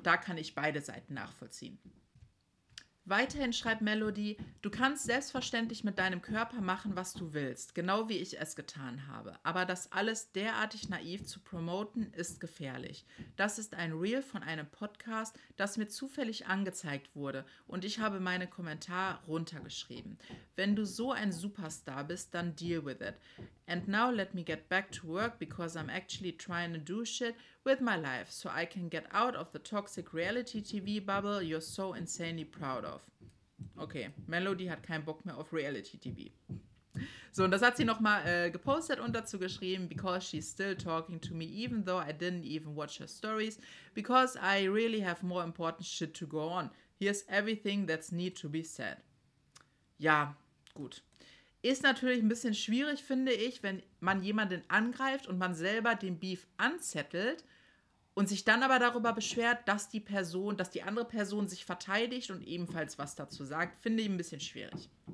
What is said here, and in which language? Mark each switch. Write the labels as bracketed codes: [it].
[de] Und da kann ich beide Seiten nachvollziehen. Weiterhin schreibt Melody, du kannst selbstverständlich mit deinem Körper machen, was du willst, genau wie ich es getan habe. Aber das alles derartig naiv zu promoten, ist gefährlich. Das ist ein Reel von einem Podcast, das mir zufällig angezeigt wurde und ich habe meinen Kommentar runtergeschrieben. Wenn du so ein Superstar bist, dann [en] deal with it. And now let me get back to work, because I'm actually trying to do shit with my life, so I can get out of the toxic reality TV bubble you're so insanely proud of. [de] Okay, Melody hat keinen Bock mehr auf Reality TV. So, und das hat sie nochmal gepostet und dazu geschrieben, [en] because she's still talking to me, even though I didn't even watch her stories, because I really have more important shit to go on. Here's everything that's need to be said. [de] Ja, gut. Ist natürlich ein bisschen schwierig, finde ich, wenn man jemanden angreift und man selber den Beef anzettelt und sich dann aber darüber beschwert, dass die Person, dass die andere Person sich verteidigt und ebenfalls was dazu sagt, finde ich ein bisschen schwierig.